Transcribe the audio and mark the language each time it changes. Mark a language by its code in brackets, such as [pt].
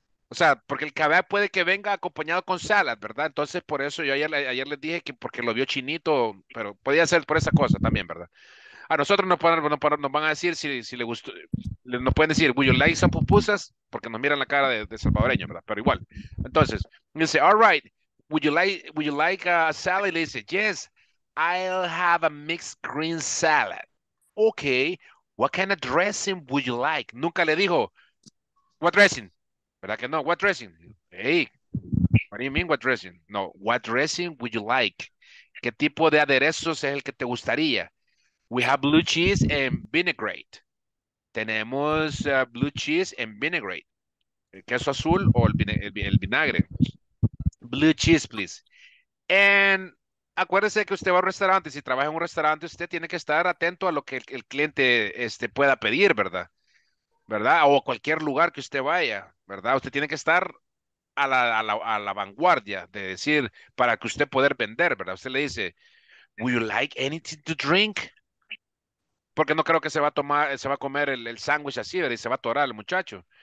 [es] O sea, porque el kebab puede que venga acompañado con salad, ¿verdad? Entonces, por eso yo ayer les dije que porque lo vio chinito, pero podía ser por esa cosa también, ¿verdad? A nosotros nos van a decir si le gustó, nos pueden decir, [en] would you like some pupusas? [es] Porque nos miran la cara de salvadoreño, ¿verdad? Pero igual. Entonces, dice, [en] all right, would you like a salad? [es] Y le dice, [en] yes, I'll have a mixed green salad. Okay, what kind of dressing would you like? [es] Nunca le dijo, [en] what dressing? [es] ¿Verdad que no? What dressing? [en] Hey, what do you mean what dressing? No, what dressing would you like? [es] ¿Qué tipo de aderezos es el que te gustaría? [en] We have blue cheese and vinaigrette. [es] Tenemos [en] blue cheese and vinaigrette. [es] El queso azul o el vinagre. [en] Blue cheese, please. [es] And acuérdese que usted va a un restaurante. Si trabaja en un restaurante, usted tiene que estar atento a lo que el cliente pueda pedir, ¿verdad? ¿Verdad? O cualquier lugar que usted vaya. ¿Verdad? Usted tiene que estar a la vanguardia de decir, para que usted poder vender, ¿verdad? Usted le dice, [en] would you like anything to drink? [es] Porque no creo que se va a comer el sándwich así, ¿verdad? Y se va a atorar el muchacho.